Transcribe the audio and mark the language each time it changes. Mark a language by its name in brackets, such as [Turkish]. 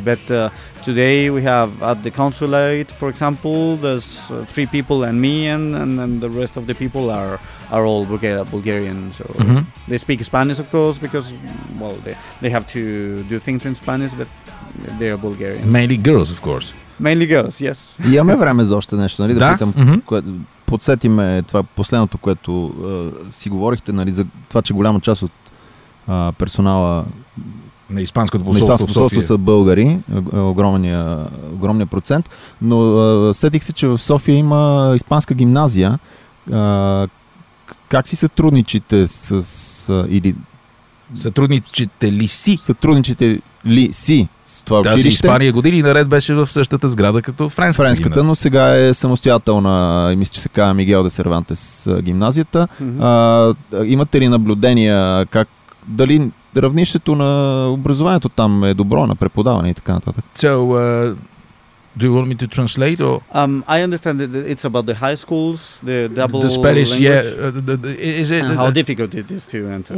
[English] But today we have at the consulate, for example, there's three people and me, and the rest of the people are all Bulgarian. So mm-hmm. They speak Spanish, of course, because, well, they have to do things in Spanish, but they're Bulgarian. Mainly girls, of course. Mainly girls, yes. [Bulgarian] Имаме време за още нещо, нали? Да питам, mm-hmm. Подсети ме това последното, което си говорихте, нали, за това, че голяма част от персонала на Испанското посолство, са българи, огромния процент, но сетих се, че в София има испанска гимназия. Как си сътрудничите сътрудничите ли си с това училище? Тази Испания години наред беше в същата сграда като Френската, но сега е самостоятелна, мисля, че се казва Мигел де Сервантес гимназията. Mm-hmm. Имате ли наблюдения как, дали равнището на образованието там е добро, на преподаване и така нататък? [English] So, do you want me to translate? Or? I understand that it's about the high schools, the double the Spanish, language. Yeah. Is it, how difficult it is to enter?